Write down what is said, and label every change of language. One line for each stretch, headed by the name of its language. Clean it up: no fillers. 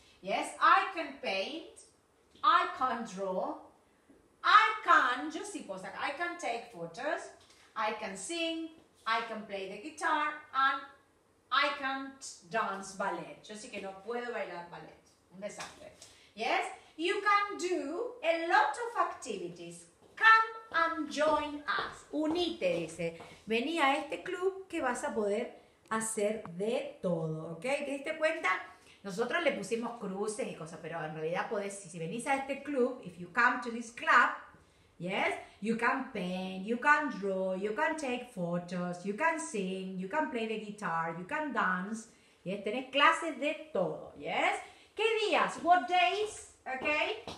English: Yes, I can paint, I can draw, I can,
Spanish: yo sí puedo sacar,
English: I can take photos, I can sing, I can play the guitar, and I can't dance ballet.
Spanish: Yo sí que no puedo bailar ballet, un desastre.
English: Yes, you can do a lot of activities. Come and join us. Unite, dice.
Spanish: Vení a este club que vas a poder hacer de todo, ¿ok? ¿Te diste cuenta? Nosotros le pusimos cruces y cosas, pero en realidad podés, si venís a este club,
English: if you come to this club, yes, you can paint, you can draw, you can take photos, you can sing, you can play the guitar, you can dance, yes,
Spanish: tenés clases de todo,
English: yes.
Spanish: ¿Qué días?
English: What days? ¿Ok?